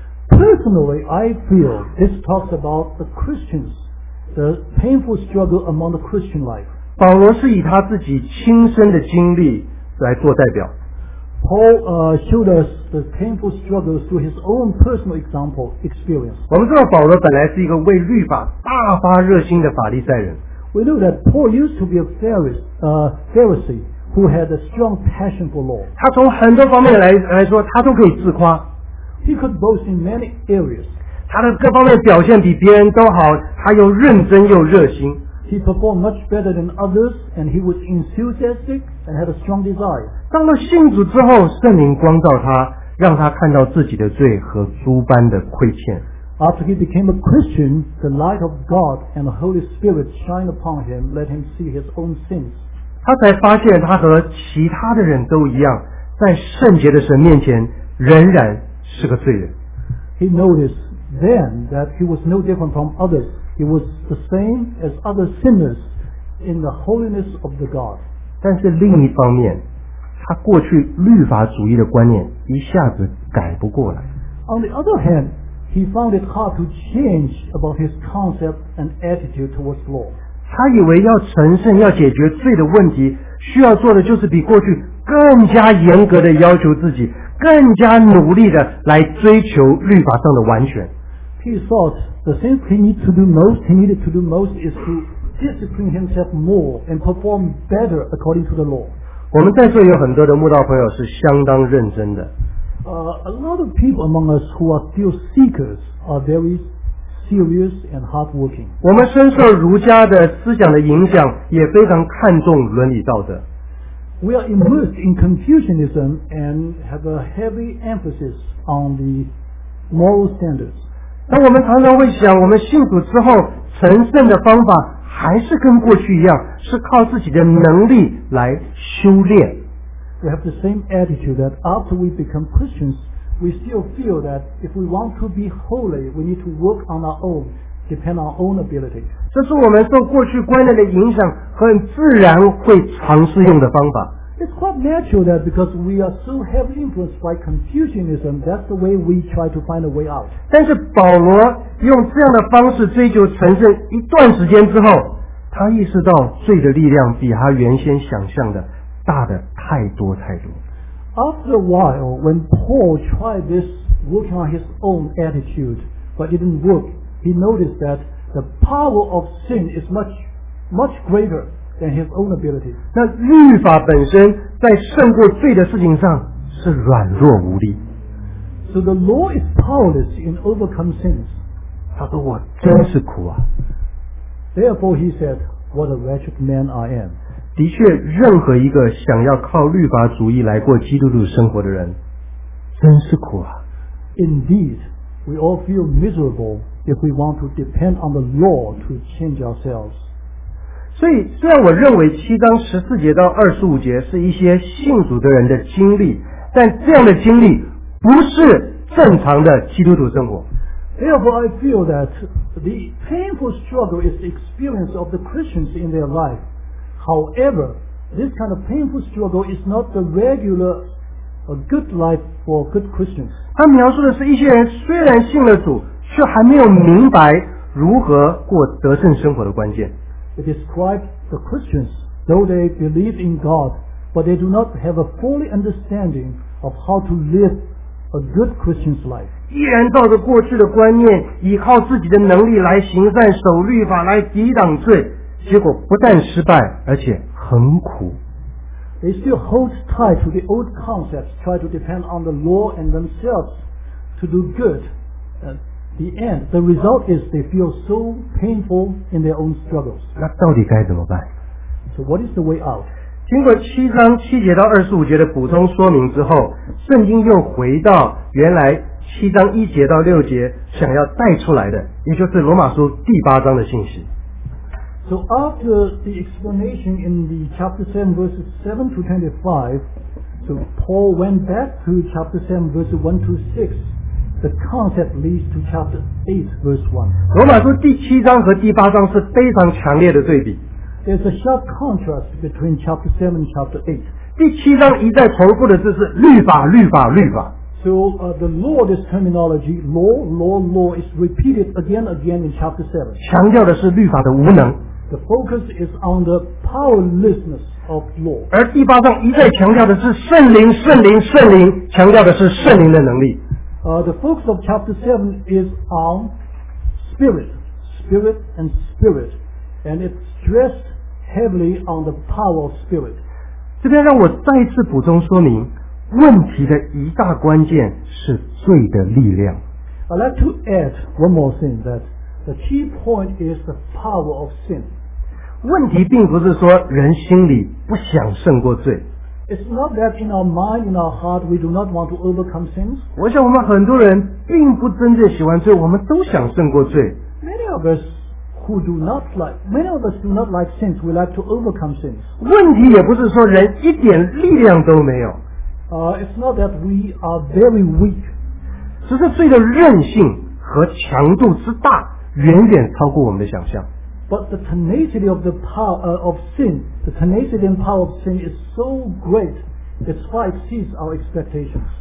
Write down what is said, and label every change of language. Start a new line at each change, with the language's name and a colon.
English: Personally, I feel this talks about the Christians, the painful struggle among the Christian life.
Chinese: 保罗是以他自己亲身的经历来做代表。
English: Paul showed us the painful struggles through his own personal example experience.
Chinese: 我们知道保罗本来是一个为律法大发热心的法利赛人。
English: We know that Paul used to be a Pharisee who had a strong passion for law.
Chinese: 他从很多方面 来说他都可以自夸。
English: He could boast in many areas.
Chinese: 他的各方面表现比别人都好，他又认真又热心。
English: He performed much better than others, and he was enthusiastic and had a strong desire.
Chinese: 当了信主之后，圣灵光照他，让他看到自己的罪和诸般的亏欠。
English: After he became a Christian, the light of God and the Holy Spirit shined upon him, let him see his own sins.
Chinese: 他才发现他和其他的人都一样，在圣洁的神面前仍然是个罪人。
English: He noticed then that he was no different from others. He was the same as other sinners in the holiness of the God.
Chinese: 但是另一方面，他过去律法主义的观念一下子改不过来。
English: On the other hand, he found it hard to change about his concept and attitude towards law.
Chinese: 他以为要成圣，要解决罪的问题，需要做的就是比过去更加严格的要求自己，更加努力的来追求律法上的完全。
English: He thought the things he needed to do most is to discipline himself more and perform better according to the law.
Chinese: 我们在座有很多的慕道朋友是相当认真的。
English: A lot of people among us who are still seekers are very serious and hardworking.
Chinese: 我们深受儒家的思想的影响，也非常看重伦理道德。
English: We are immersed in Confucianism and have a heavy emphasis on the moral standards.
Chinese: 但我们常常会想，我们信主之后成圣的方法还是跟过去一样，是靠自己的能力来修炼。
English: We have the same attitude that after we become Christians, we still feel that if we want to be holy, we need to work on our own, depend on our own ability.
Chinese: 这是我们受过去观念的影响，很自然会尝试用的方法。
English: It's quite natural that because we are so heavily influenced by Confucianism, that's the way we try to find a way out.
Chinese: 但是保罗用这样的方式追求成圣一段时间之后，他意识到罪的力量比他原先想象的大的太多太多。
English: After a while, when Paul tried this working on his own attitude, but it didn't work, he noticed that the power of sin is much, much greater. And his own ability.
Chinese: 那律法本身在胜过罪的事情上是软弱无力。
English: So the law is powerless in overcome sins.
Chinese: 他说我真是苦啊。
English: Therefore he said, "What a wretched man I am."
Chinese: 的确，任何一个想要靠律法主义来过基督徒生活的人，真是苦啊。
English: Indeed, we all feel miserable if we want to depend on the law to change ourselves.
Chinese: 所以虽然我认为七章十四节到二十五节是一些信主的人的经历，但这样的经历不是正常的基督徒生活。
English: Therefore I feel that the painful struggle is the experience of the Christians in their life. However, this kind of painful struggle is not the regular a good life for good Christians.
Chinese: 他描述的是一些人虽然信了主，却还没有明白如何过得胜生活的关键。
English: It describes the Christians, though they believe in God, but they do not have a fully understanding of how to live a good Christian's life.
Chinese: 依然照着过去的观念，依靠自己的能力来行善、守律法、来抵挡罪，结果不但失败，而且很苦。
English: They still hold tight to the old concepts, try to depend on the law and themselves to do good. The end. The result is they feel so painful in their own struggles.
Chinese: 那到底该怎么办？
English: So what is the way out?
Chinese: 经过七章七节到二十五节的补充说明之后，圣经又回到原来七章一节到六节想要带出来的，也就是罗马书第八章的信息。
English: So after the explanation in the chapter 7 verses 7 to 25, so Paul went back to chapter 7 verses 1 to 6. The concept leads to chapter 8 verse 1.
Chinese: 罗马书第七章和第八章是非常强烈的对比。
English: There's a sharp contrast between chapter 7 and chapter 8.
Chinese: 第七章一再重复的就是律法律法律法。
English: So the law, this terminology, law, law, law, is repeated again and again in chapter 7.
Chinese: 强调的是律法的无能。
English: The focus is on the powerlessness of law.
Chinese: 而第八章一再强调的是圣灵圣灵圣灵，强调的是圣灵的能力。
English: The focus of chapter 7 is on spirit, spirit and spirit. And it stressed heavily on the power of spirit.
Chinese: 这边让我再次补充说明，问题的一大关键是罪的力量。
English: I'd like to add one more thing, that the key point is the power of sin.
Chinese: 问题并不是说人心里不想胜过罪。
English: It's not that in our mind, in our heart, we do not want to overcome sins.
Chinese: 我想我们很多人并不真正喜欢罪，我们都想胜过罪。
English: Many of us do not like sins, we like to overcome sins.
Chinese: 问题也不是说人一点力量都没有。
English: It's not that we are very weak.
Chinese: 只是罪的韧性和强度之大，远远超过我们的想象。
English: But the tenacity of the power of sin, the tenacity and power of sin is so great, it far exceeds our expectations.